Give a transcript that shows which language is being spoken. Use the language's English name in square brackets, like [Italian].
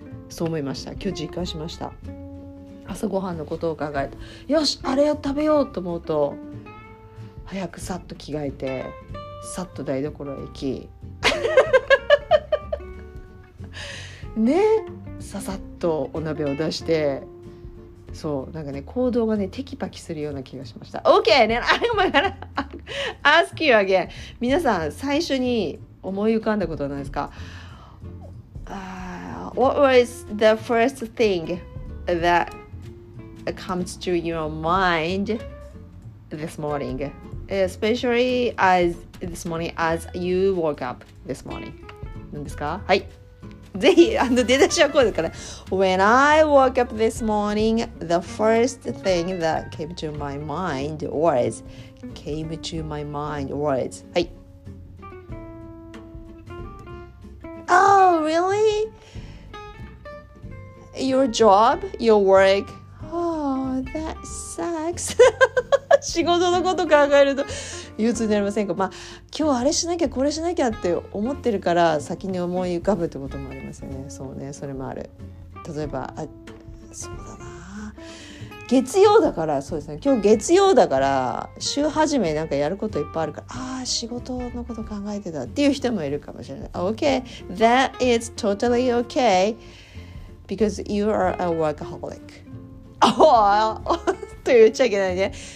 [Japanese] そう思いました、今日実感しました。朝ごはんのことを考えた、よし、あれを食べようと思うと、早くさっと着替えてさっと台所へ行きね、ささっとお鍋を出して、そう、なんかね、行動がね、テキパキするような気がしました。 [English] OK! Then I'm gonna ask you again. [Japanese] 皆さん、最初に思い浮かんだことは何ですか、 [English] What was the first thing that comes to your mind this morning, especially as this morning as you woke up this morning. [Japanese] 何ですか？はい。ぜひ、出だしはこうだから。 [English] When I woke up this morning, the first thing that came to my mind was, came to my mind was, はい。 Oh, really? Your job? Your work? Oh, that sucks. [Japanese] 仕事のこと考えると憂鬱になりませんか。まあ今日あれしなきゃこれしなきゃって思ってるから先に思い浮かぶってこともありますよね。そうね、それもある。例えば、あ、そうだな、月曜だから、そうですね、今日月曜だから週始めなんかやることいっぱいあるから、あー仕事のこと考えてたっていう人もいるかもしれない。 [English] OK, that is totally OK because you are a workaholic. [Japanese] Oh, と言っちゃいけないね。